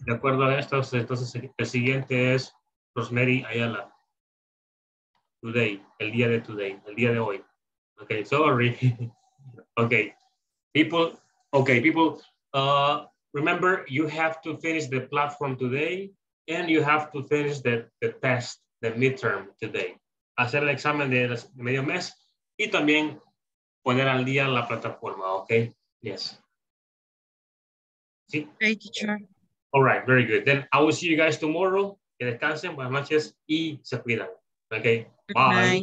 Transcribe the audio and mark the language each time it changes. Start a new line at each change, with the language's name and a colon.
Spanish: De acuerdo a esto, entonces el siguiente es Rosemary Ayala. today, el día de today, el día de hoy.
English: Okay, sorry. Okay, people, okay, people, remember you have to finish the platform today and you have to finish the test, the midterm today.
Spanish: Hacer el examen de medio mes y también poner al día la plataforma, okay? Yes. ¿Sí?
English: Hey, teacher. All right, very good. Then I will see you guys tomorrow.
Spanish: Que descansen, buenas noches y se cuidan.
English: Okay, bye.